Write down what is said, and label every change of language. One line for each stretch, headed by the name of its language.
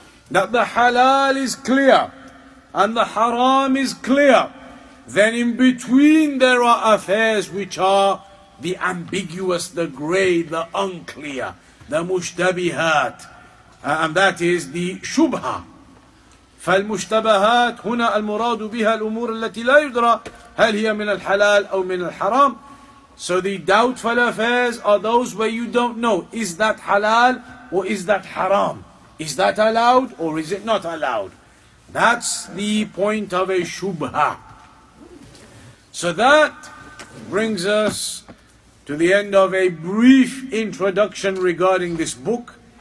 English: That the halal is clear and the haram is clear. Then in between there are affairs which are the ambiguous, the gray, the unclear, the mushtabihat, and that is the shubha.
Arabic: فالمشتبهات هنا المراد بها الأمور التي لا يدرى هل هي من الحلال أو من الحرام.
English: So the doubtful affairs are those where you don't know, is that halal or is that haram? Is that allowed or is it not allowed? That's the point of a shubha. So that brings us to the end of a brief introduction regarding this book.